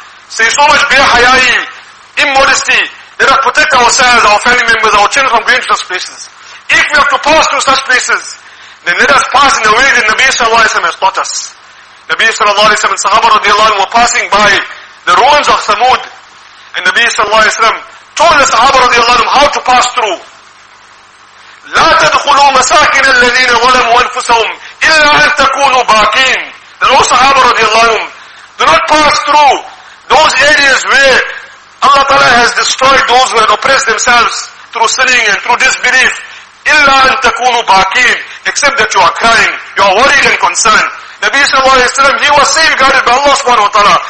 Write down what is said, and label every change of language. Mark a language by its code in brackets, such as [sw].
[en] See, so much bare hayai, immodesty, let us protect ourselves, our family members, our children from going to such places. If we have to pass through such places, then let us pass in the way that Nabi sallallahu alayhi wa sallam has taught us. Nabi sallallahu alayhi wa sallam and Sahaba radiallahu anhu were passing by the ruins of Thamud. And Nabi sallallahu alayhi wa sallam told the Sahaba radiallahu anhu how to pass through. [ar] لا تدخلوا مساكن الذين ظلموا أنفسهم إلا أن تكونوا باقين. [en] The old Sahaba radiallahu anhu, do not pass through those areas where Allah Ta'ala has destroyed those who had oppressed themselves through sinning and through disbelief. [ar] إلا أن تكونوا باقين. [en] Except that you are crying, you are worried and concerned. Nabi sallallahu alayhi wa sallam, he was safeguarded by Allah subhanahu wa ta'ala.